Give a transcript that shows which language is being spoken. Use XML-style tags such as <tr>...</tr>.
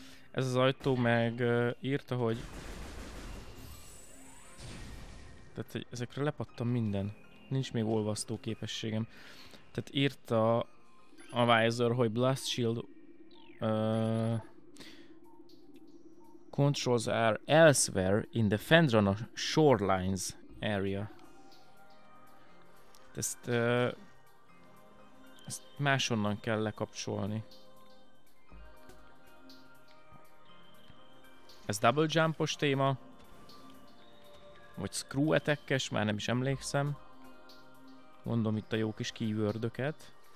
<hu>Ez az ajtó meg írta, hogy... tehát hogy ezekre lepattam minden. Nincs még olvasztó képességem. Tehát írta a Visor, hogy Blast Shield...</hu> <en>Controls are elsewhere in the Fendrana Shorelines area.</en> <hu>Ezt máshonnan kell lekapcsolni. Ez double jumpos téma. Vagy screw attack-es, már nem is emlékszem. Mondom itt a jó kis keyword-öket.</hu>